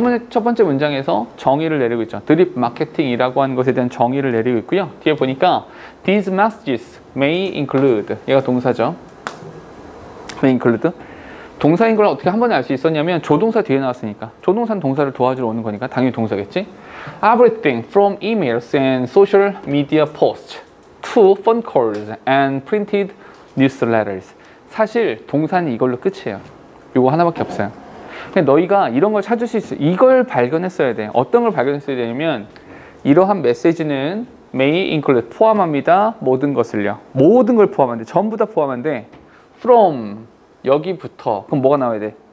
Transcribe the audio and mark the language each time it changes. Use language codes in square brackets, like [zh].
[ko] 첫 번째 문장에서 정의를 내리고 있죠. 드립 마케팅이라고 하는 것에 대한 정의를 내리고 있고요. 뒤에 보니까 [en] these messages may include, [ko] 얘가 동사죠. [en] may include. [ko] 동사인 걸 어떻게 한 번에 알 수 있었냐면 조동사 뒤에 나왔으니까. 조동사는 동사를 도와주러 오는 거니까 당연히 동사겠지. [en] everything from emails and social media posts to phone calls and printed newsletters. [ko] 사실 동사는 이걸로 끝이에요. 이거 하나밖에 없어요. 너희가 이런 걸 찾을 수 있어. 이걸 발견했어야 돼. 어떤 걸 발견했어야 되냐면 이러한 메시지는 [en] may include [ko] 포함합니다. 모든 것을요. 모든 걸 포함한대. 전부 다 포함한대. from 여기부터. 그럼 뭐가 나와야 돼?